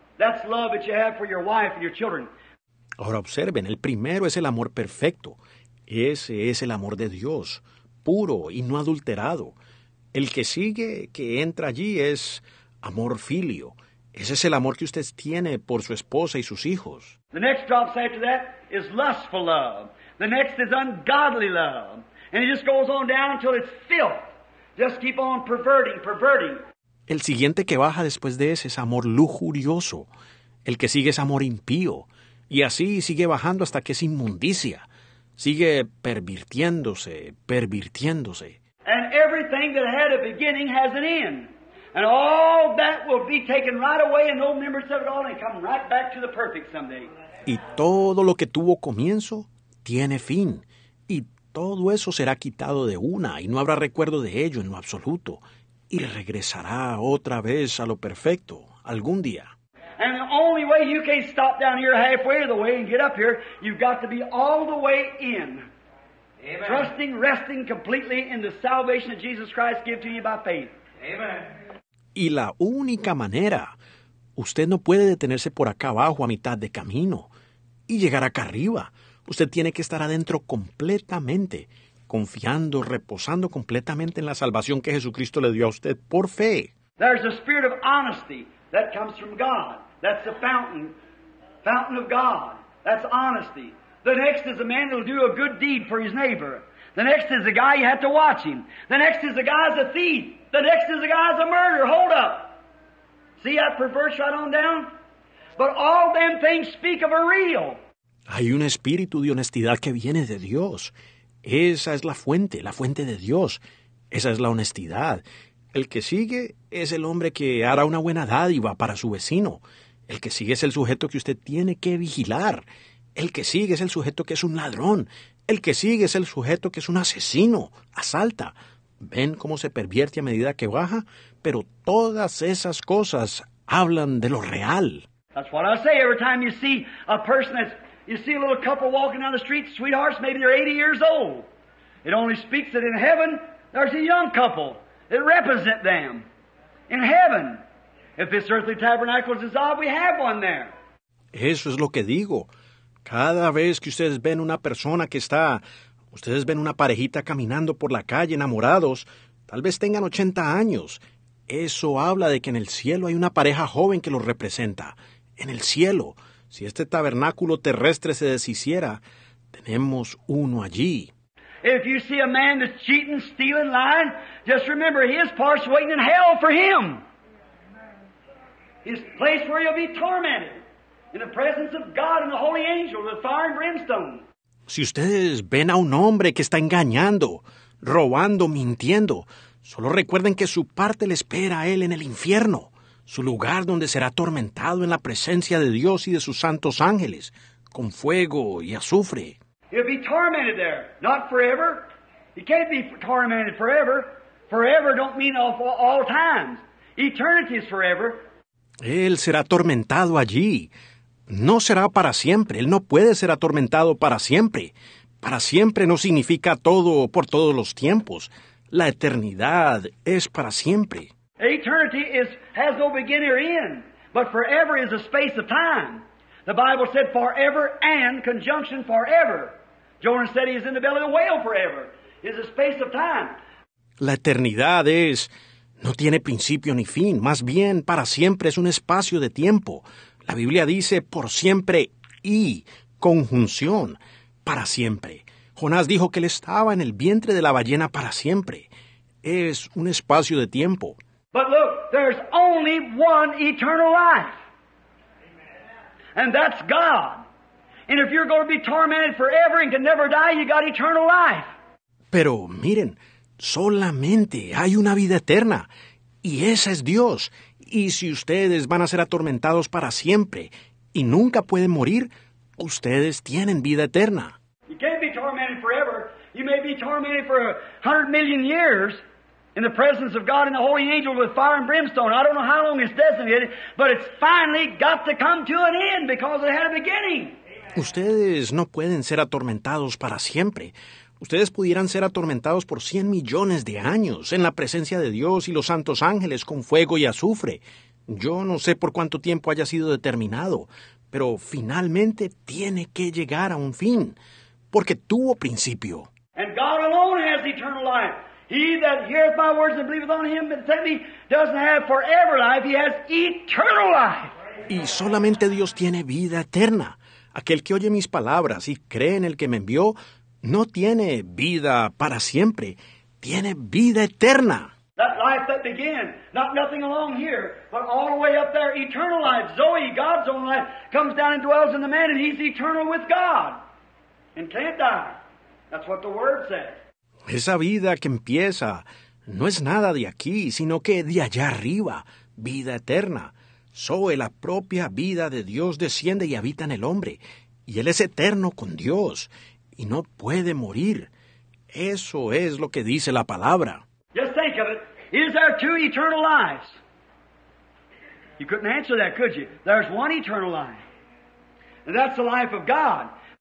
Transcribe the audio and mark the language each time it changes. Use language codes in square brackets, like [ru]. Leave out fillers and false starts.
[en] That's love that you have for your wife and your children. [es] Ahora observen, el primero es el amor perfecto. Ese es el amor de Dios, puro y no adulterado. El que sigue, que entra allí, es amor filio. Ese es el amor que usted tiene por su esposa y sus hijos. [en] The next drops after that is lustful love. The next is ungodly love. And it just goes on down until it's filth. Just keep on perverting, perverting. [es] El siguiente que baja después de ese es amor lujurioso. El que sigue es amor impío. Y así sigue bajando hasta que es inmundicia. Sigue pervirtiéndose, pervirtiéndose. [en] And everything that had a beginning has an end. And all that will be taken right away and no members of it all and come right back to the perfect someday. [es] Y todo lo que tuvo comienzo tiene fin, y todo eso será quitado de una, y no habrá recuerdo de ello en lo absoluto, y regresará otra vez a lo perfecto, algún día. [en] And the only way you can stop down here halfway of the way and get up here, you've got to be all the way in. Amen. Trusting, resting completely in the salvation of Jesus Christ given to you by faith. Amen. [es] Y la única manera, usted no puede detenerse por acá abajo a mitad de camino y llegar acá arriba. Usted tiene que estar adentro completamente, confiando, reposando completamente en la salvación que Jesucristo le dio a usted por fe. [en] There's a spirit of honesty that comes from God. That's the fountain fountain of God. That's honesty. The next is a man that'll do a good deed for his neighbor. The next is a guy you have to watch him. The next is a guy's a thief. The next is a guy's a murderer. Hold up. See that perverse right on down? But all them things speak of a real. [es] Hay un espíritu de honestidad que viene de Dios. Esa es la fuente de Dios. Esa es la honestidad. El que sigue es el hombre que hará una buena dádiva para su vecino. El que sigue es el sujeto que usted tiene que vigilar. El que sigue es el sujeto que es un ladrón. El que sigue es el sujeto que es un asesino. Asalta. ¿Ven cómo se pervierte a medida que baja? Pero todas esas cosas hablan de lo real. [en] That's what I say every time you see a person that's... You see a little couple walking down the street, sweethearts, maybe they're 80 years old. It only speaks that in heaven, there's a young couple that represent them. In heaven, if this earthly tabernacle is dissolved, we have one there. [es] Eso es lo que digo. Cada vez que ustedes ven una persona que está, ustedes ven una parejita caminando por la calle enamorados, tal vez tengan 80 años. Eso habla de que en el cielo hay una pareja joven que los representa. En el cielo. Si este tabernáculo terrestre se deshiciera, tenemos uno allí. [en] If you see a man that's cheating, stealing, lying, just remember his part's waiting in hell for him. His place where he'll be tormented in the presence of God and the holy angel with fire and brimstone. [es] Si ustedes ven a un hombre que está engañando, robando, mintiendo, solo recuerden que su parte le espera a él en el infierno. Su lugar donde será atormentado en la presencia de Dios y de sus santos ángeles, con fuego y azufre. [en] He'll be tormented there, not forever. He can't be tormented forever. Forever don't mean all times. Eternity is forever. [es] Él será atormentado allí. No será para siempre. Él no puede ser atormentado para siempre. Para siempre no significa todo por todos los tiempos. La eternidad es para siempre. [en] Eternity has no beginning or end, but forever is a space of time. The Bible said forever and conjunction forever. Jonah said he is in the belly of the whale forever. It's a space of time. [es] La eternidad es, no tiene principio ni fin, más bien para siempre es un espacio de tiempo. La Biblia dice por siempre y conjunción para siempre. Jonás dijo que él estaba en el vientre de la ballena para siempre. Es un espacio de tiempo. [en] But look, there's only one eternal life. And that's God. And if you're going to be tormented forever and can never die, you got eternal life. [es] Pero miren, solamente hay una vida eterna. Y esa es Dios. Y si ustedes van a ser atormentados para siempre y nunca pueden morir, ustedes tienen vida eterna. [en] You can't be tormented forever. You may be tormented for 100 million years. In the presence of God and the holy angel with fire and brimstone. I don't know how long it's designated, but it's finally got to come to an end because it had a beginning. [es] Ustedes no pueden ser atormentados para siempre. Ustedes pudieran ser atormentados por 100 millones de años en la presencia de Dios y los santos ángeles con fuego y azufre. Yo no sé por cuánto tiempo haya sido determinado, pero finalmente tiene que llegar a un fin, porque tuvo principio. [en] And God alone has eternal life. He that heareth my words and believeth on him that sent me doesn't have forever life, he has eternal life. [es] Y solamente Dios tiene vida eterna. Aquel que oye mis palabras y cree en el que me envió, no tiene vida para siempre, tiene vida eterna. [en] That life that began, not nothing along here, but all the way up there, eternal life, Zoe, God's own life, comes down and dwells in the man, and he's eternal with God, and can't die. That's what the Word says. [es] Esa vida que empieza no es nada de aquí, sino que de allá arriba, vida eterna. Zoe, la propia vida de Dios desciende y habita en el hombre, y él es eterno con Dios, y no puede morir. Eso es lo que dice la palabra. [en] Just think of it. Is there two eternal lives? You couldn't answer that, could you? There's one eternal life, and that's the life of God.